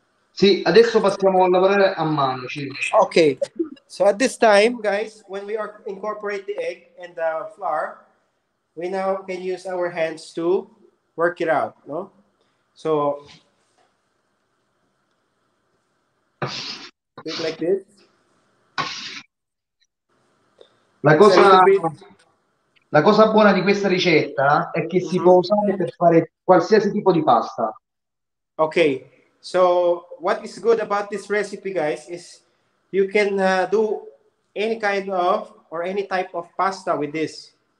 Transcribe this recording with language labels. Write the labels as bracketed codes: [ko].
[it] Sì, adesso passiamo a lavorare a mano, circa. [en] Okay, so at this time, guys, when we are incorporate the egg and the flour, we now can use our hands to work it out, no? So, bit like this. [it] La [en] It's a little [it] cosa [en] bit. [it] buona di questa ricetta è che si può usare per fare qualsiasi tipo di pasta. [en] Okay, so what is good about this recipe, guys, is you can do any kind of or any type of pasta with this.